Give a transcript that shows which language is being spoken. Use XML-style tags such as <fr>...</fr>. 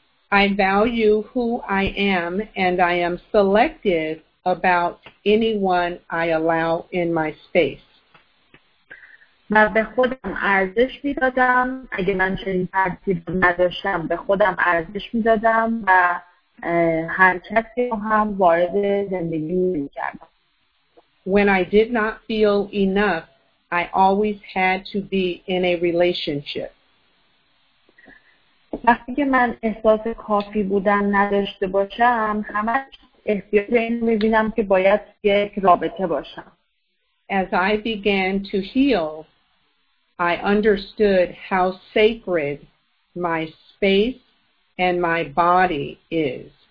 <en>I value who I am and I am selective about anyone I allow in my space.</en> <fa>و به خودم ارزش میدادم، اگه من چنین ترتیب نداشتم به خودم ارزش میدادم و هر کسی رو هم وارد زندگی میکردم.</fa> <en>When I did not feel enough, I always had to be in a relationship.</en> <fa>وقتی که من احساس کافی بودن نداشته باشم، همش احتیاج این میبینم که باید یک رابطه باشم.</fa> <en>As I began to heal, I understood how sacred my space and my body is.</en>